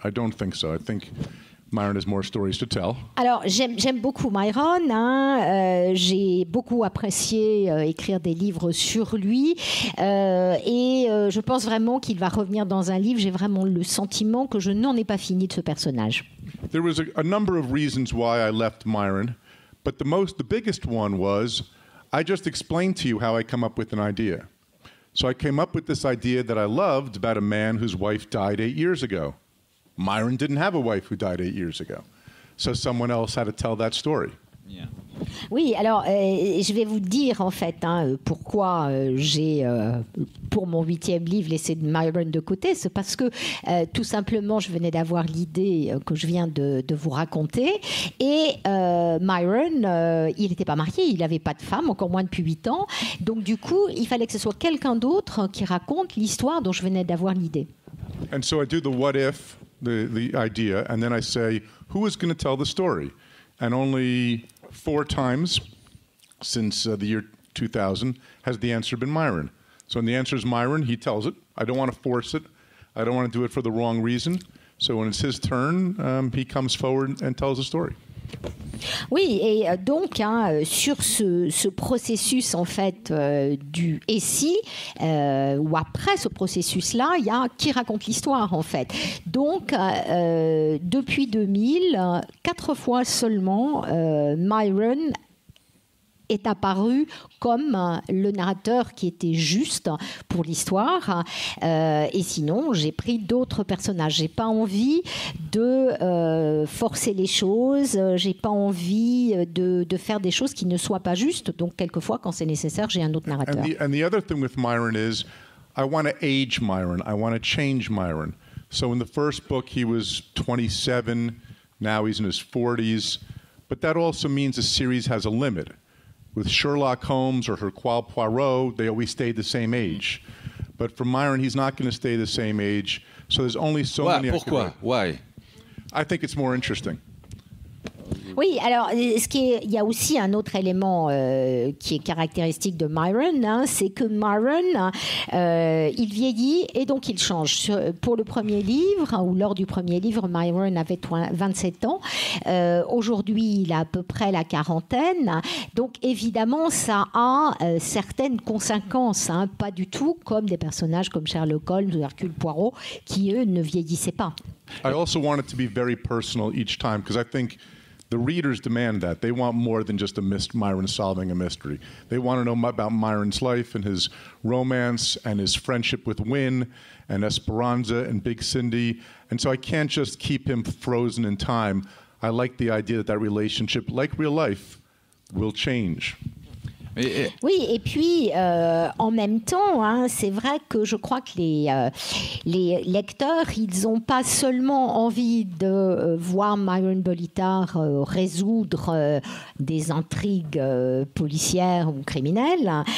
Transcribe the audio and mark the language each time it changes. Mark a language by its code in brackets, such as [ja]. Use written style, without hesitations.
[en] I don't think so. I think Myron has more stories to tell. [fr] Alors, j'aime beaucoup Myron. Hein. J'ai beaucoup apprécié écrire des livres sur lui. Et je pense vraiment qu'il va revenir dans un livre. J'ai vraiment le sentiment que je n'en ai pas fini de ce personnage. [en] There was a number of reasons why I left Myron. But the biggest one was, I just explained to you how I come up with an idea. So I came up with this idea that I loved about a man whose wife died 8 years ago. Myron didn't have a wife who died 8 years ago. So someone else had to tell that story. Yeah. [fr] Oui, alors je vais vous dire en fait hein, pourquoi j'ai, pour mon huitième livre, laissé Myron de côté. C'est parce que tout simplement, je venais d'avoir l'idée que je viens de vous raconter. Et Myron, il n'était pas marié, il n'avait pas de femme, encore moins depuis 8 ans. Donc du coup, il fallait que ce soit quelqu'un d'autre qui raconte l'histoire dont je venais d'avoir l'idée. [en] And so I do the what if. The idea, and then I say, who is going to tell the story? And only 4 times since the year 2000 has the answer been Myron. So when the answer is Myron, he tells it. I don't want to force it. I don't want to do it for the wrong reason. So when it's his turn, he comes forward and tells the story. [fr] Oui, et donc, hein, sur ce processus, en fait, du « et si », ou après ce processus-là, il y a « qui raconte l'histoire », en fait. Donc, depuis 2000, 4 fois seulement, Myron est apparu comme le narrateur qui était juste pour l'histoire. Et sinon, j'ai pris d'autres personnages. J'ai pas envie de forcer les choses. J'ai pas envie de faire des choses qui ne soient pas justes. Donc, quelquefois, quand c'est nécessaire, j'ai un autre narrateur. [en] And the other thing with Myron is, I want to age Myron. I want to change Myron. So in the first book, he was 27. Now he's in his 40s. But that also means a series has a limit. With Sherlock Holmes or Hercule Poirot, they always stayed the same age. But for Myron, he's not going to stay the same age. So there's only so why, many... [fr] Pourquoi? [en] Why? I think it's more interesting. [fr] Oui, alors, il y a aussi un autre élément qui est caractéristique de Myron, hein, c'est que Myron, il vieillit et donc il change. Pour le premier livre, ou lors du premier livre, Myron avait 27 ans. Aujourd'hui, il a à peu près la quarantaine. Donc, évidemment, ça a certaines conséquences, hein, pas du tout comme des personnages comme Sherlock Holmes ou Hercule Poirot, qui, eux, ne vieillissaient pas. [en] I also want it to be very personal each time, because I think the readers demand that. They want more than just a Myron solving a mystery. They want to know about Myron's life and his romance and his friendship with Wynne and Esperanza and Big Cindy. And so I can't just keep him frozen in time. I like the idea that relationship, like real life, will change. [fr] Oui, et puis en même temps, hein, c'est vrai que je crois que les lecteurs, ils n'ont pas seulement envie de voir Myron Bolitar résoudre des intrigues policières ou criminelles,